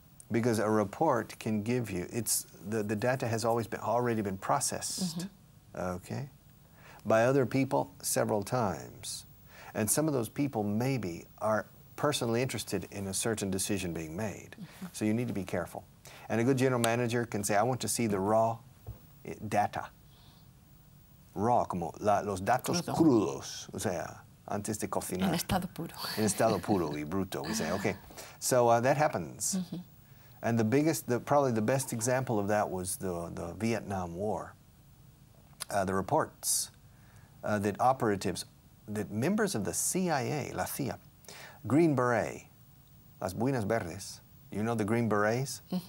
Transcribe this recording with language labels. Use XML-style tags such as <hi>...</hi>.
<en>Because a report can give you, the data has always been already been processed, okay, by other people several times. And some of those people maybe are personally interested in a certain decision being made. So you need to be careful. And a good general manager can say, I want to see the raw data.</en> <es>Raw, como los datos crudos, o sea, antes de cocinar. En estado puro. En estado puro y bruto,</es> <en>we say, okay. So that happens. And the biggest, probably the best example of that was the Vietnam War. The reports that operatives, that members of the CIA,</en> <es>la CIA,</es> <en>Green Beret,</en> <es>las Buenas Verdes,</es> <en>you know the Green Berets?</en>